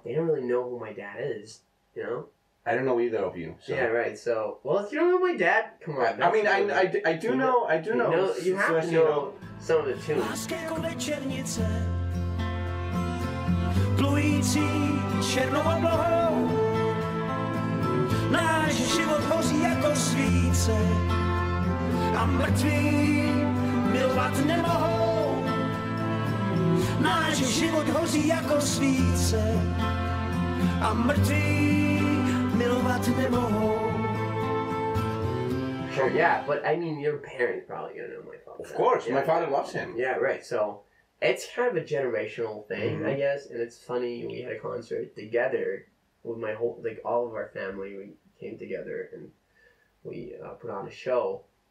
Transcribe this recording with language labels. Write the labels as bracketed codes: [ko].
[en] They don't really know who my dad is, you know? I don't know either of you. So. Yeah, right. So, well, if you don't know my dad, come on. I mean, I do know. I do know. You have to know some of the tunes. [cs] Náš život hoří jako svíce a mrtví milovat nemohou. Náš život hoří jako svíce a mrtví milovat nemohou. [en] Sure, yeah, but I mean your parents probably gonna know my father. Of course, yeah, my father loves him. Yeah, right, so it's kind of a generational thing, mm-hmm. I guess, and it's funny, we had a concert together with my whole, like, all of our family, we came together and we put on a show.